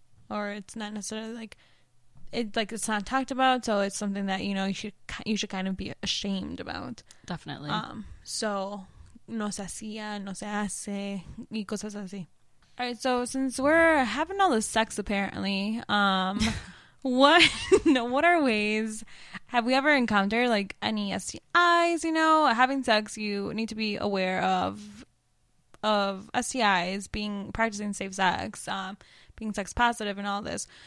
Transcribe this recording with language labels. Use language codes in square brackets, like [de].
[en] Or it's not necessarily, like, it's not talked about. So, it's something that, you know, you should kind of be ashamed about. Definitely. [es] So, no se hacía, no se hace, y cosas así. [en] All right, so since we're having all this sex, apparently, what are ways, have we ever encountered, like, any STIs, you know? Having sex, you need to be aware of STIs, practicing safe sex, being sex positive and all this.